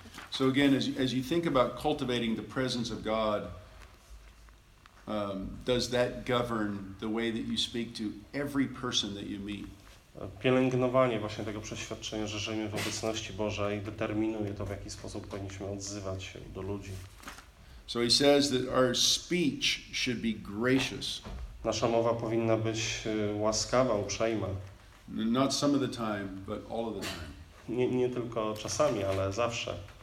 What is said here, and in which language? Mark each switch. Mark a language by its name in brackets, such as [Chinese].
[English] So again, as you think about cultivating the presence of God, does that govern the way that you speak to every person that you meet? [Polish] Pielęgnowanie właśnie tego przeświadczenia, że żyjemy w obecności Bożej, determinuje to, w jaki sposób powinniśmy odzywać się do ludzi. [English] So he says that our speech should be gracious. [Polish] Nasza mowa powinna być łaskawa, uprzejma. [English] Not some of the time, but all of the time. [Polish] Nie tylko czasami, ale zawsze.